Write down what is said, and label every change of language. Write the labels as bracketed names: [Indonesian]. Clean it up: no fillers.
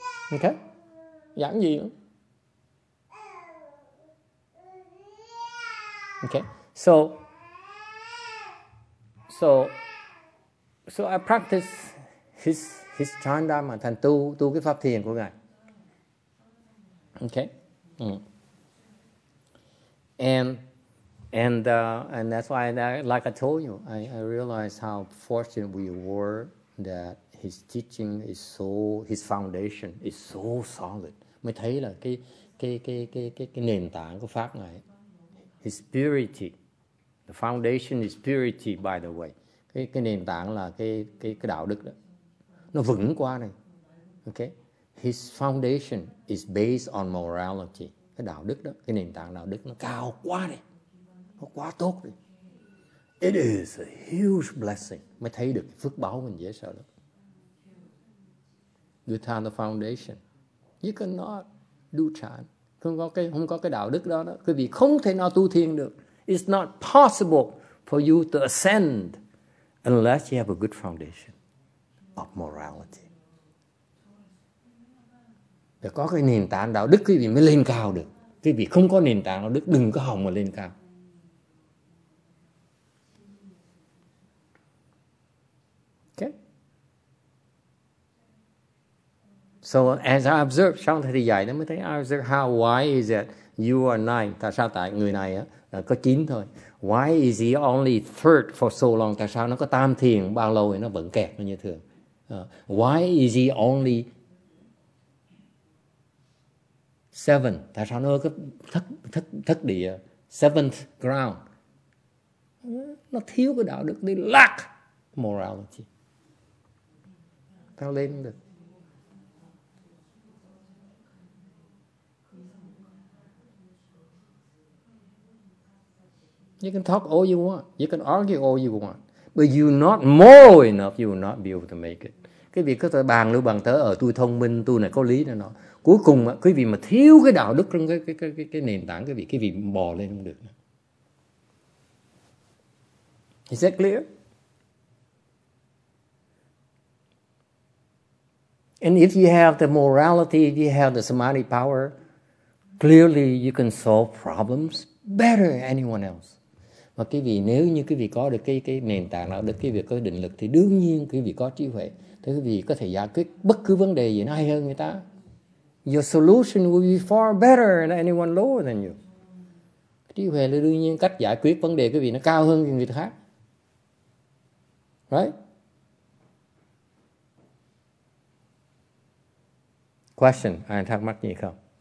[Vietnamese] Okay, giảng gì nữa? [English] Okay, so I practice his chan dharma, [Vietnamese] thành tu cái pháp thiền của ngài. [English] Okay, and that's why I realized how fortunate we were that. His teaching is so, his foundation is so solid. [Vietnamese] Mới thấy là cái nền tảng của pháp ngài. [English] His purity, the foundation is purity. By the way, [Vietnamese] cái nền tảng là cái đạo đức đó, nó vững qua này. [English] Okay, his foundation is based on morality. [Vietnamese] Cái đạo đức đó, cái nền tảng đạo đức nó cao quá này, nó quá tốt đi. [English] It is a huge blessing. [Vietnamese] Mới thấy được phước báo mình dễ sợ lắm. [English] Without the foundation, you cannot do chan. [Vietnamese] Không có cái đạo đức đó, quý vị không thể nào tu thiền được. [English] It's not possible for you to ascend unless you have a good foundation of morality. [Vietnamese] Để có cái nền tảng đạo đức, quý vị mới lên cao được. Quý vị không có nền tảng đạo đức, đừng có hòng mà lên cao. [English] So as I observe, [Vietnamese] trong thời dài nó mới thấy, [English] I observe how, why is it you are nine? [Vietnamese] Tại sao tại người này á có chín thôi? [English] Why is he only third for so long? [Vietnamese] Tại sao nó có tam thiền bao lâu thì nó vẫn kẹt như thường? [English] Why is he only seven? [Vietnamese] Tại sao nó có thất địa [English] seventh ground? [Vietnamese] Nó thiếu cái đạo đức, [English] they lack morality. [Vietnamese] Tao lên được. [English] You can talk all you want. You can argue all you want. But you're not moral enough, you will not be able to make it. [Vietnamese] Cái việc có bàn lưu bàn tới, tôi thông minh, tôi này có lý, này nọ. Cuối cùng, cái vị mà thiếu cái đạo đức trong cái nền tảng, cái vị bò lên không được. [English] Is that clear? And if you have the morality, if you have the samadhi power, clearly you can solve problems better than anyone else. [Vietnamese] Mà cái vị nếu như cái vị có được cái nền tảng đạo đức, cái vị có định lực, thì đương nhiên cái vị có trí huệ. Thế cái vị có thể giải quyết bất cứ vấn đề gì nó hay hơn người ta. [English] Your solution will be far better than anyone lower than you. [Vietnamese] Trí huệ là đương nhiên cách giải quyết vấn đề cái vị nó cao hơn người khác. [English] Right? [Vietnamese] Question, ai thắc mắc gì không?